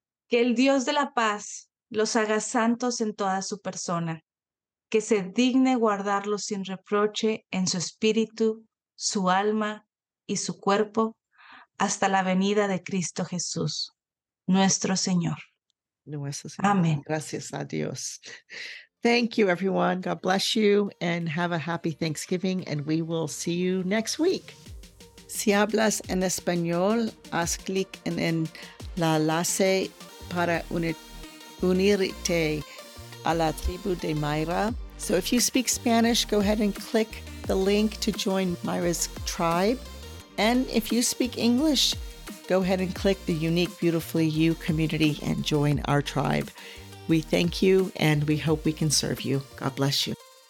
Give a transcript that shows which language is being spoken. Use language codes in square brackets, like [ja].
[es] Que el Dios de la paz los haga santos en toda su persona. Que se digne guardarlo sin reproche en su espíritu, su alma y su cuerpo hasta la venida de Cristo Jesús, nuestro Señor. Nuestro Señor. Amén. Gracias a Dios. [en] Thank you, everyone. God bless you and have a happy Thanksgiving, and we will see you next week. [es] Si hablas en español, haz clic en la enlace para unirte a la tribu de Mayra. [en] So if you speak Spanish, go ahead and click the link to join Myra's tribe. And if you speak English, go ahead and click the Unique Beautifully You community and join our tribe. We thank you, and we hope we can serve you. God bless you.